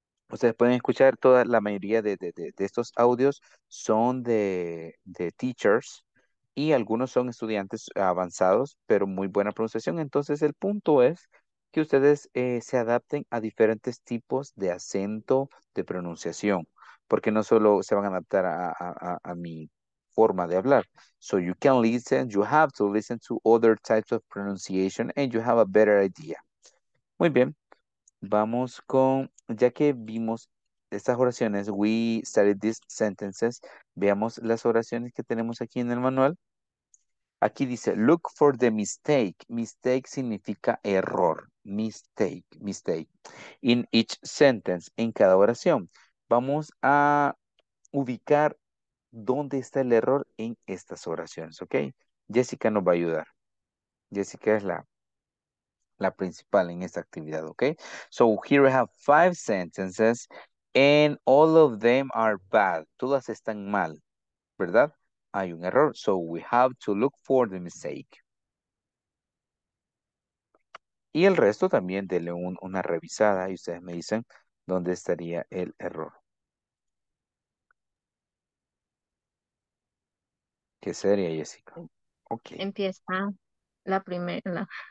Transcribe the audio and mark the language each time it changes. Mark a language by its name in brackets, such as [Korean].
[Spanish] Ustedes pueden escuchar toda la mayoría de estos audios son de teachers. Y algunos son estudiantes avanzados, pero muy buena pronunciación. Entonces, el punto es que ustedes se adapten a diferentes tipos de acento de pronunciación. Porque no solo se van a adaptar a mi forma de hablar. [English] So, you can listen, you have to listen to other types of pronunciation and you have a better idea. [Spanish] Muy bien. Vamos con, ya que vimos estas oraciones, [English] we studied these sentences. [Spanish] Veamos las oraciones que tenemos aquí en el manual. Aquí dice, [English] look for the mistake. Mistake [Spanish] significa error. [English] Mistake. In each sentence, [Spanish] en cada oración. Vamos a ubicar dónde está el error en estas oraciones, ¿ok? Jessica nos va a ayudar. Jessica es la principal en esta actividad, ¿ok? [English] So here we have 5 sentences. And all of them are bad. [Spanish] Todas están mal. ¿Verdad? Hay un error. [English] So we have to look for the mistake. [Spanish] Y el resto también denle una revisada y ustedes me dicen dónde estaría el error. ¿Qué sería, Jessica? Ok. Empieza la primera.